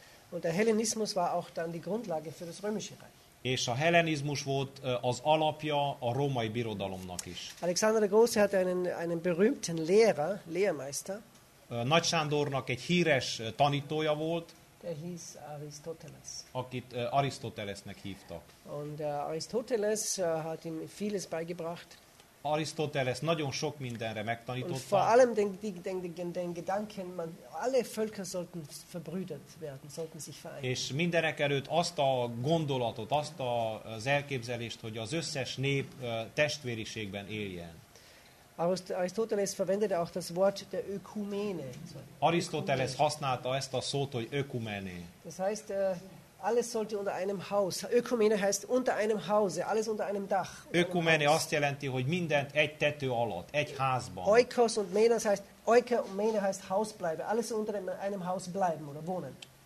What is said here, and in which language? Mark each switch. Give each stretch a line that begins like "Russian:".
German: Und der Hellenismus war auch dann die Grundlage für das römische Reich.
Hungarian: És a Hellenizmus volt az alapja a római birodalomnak is.
German: Alexander der Große hatte einen berühmten Lehrer, Lehrmeister.
Hungarian: Nagy Sándornak egy híres tanítója volt.
German: Der hieß Aristoteles.
Hungarian: Akit Arisztotelesnek hívtak.
German: Und Aristoteles hat ihm vieles beigebracht.
Hungarian: Arisztoteles nagyon sok mindenre megtanította.
German: Und vor allem den Gedanken, man alle Völker sollten verbrüdert werden, sollten sich vereinen.
Hungarian: És mindenek előtt azt a gondolatot, azt az elképzelést, hogy az összes nép testvériségben éljen.
German: Aristoteles verwendete auch das Wort der Ökumene.
Hungarian: Arisztoteles használta ezt a szót, hogy ökumene.
German: Das heißt, alles sollte unter einem Haus. Ökumene heißt unter einem Hause, alles unter einem Dach.
Hungarian: Ökumene azt jelenti, hogy mindent egy tető alatt, egy házban.
German: Oikos und menes heißt oike und mene heißt Haus bleiben, alles unter einem Haus bleiben oder wohnen.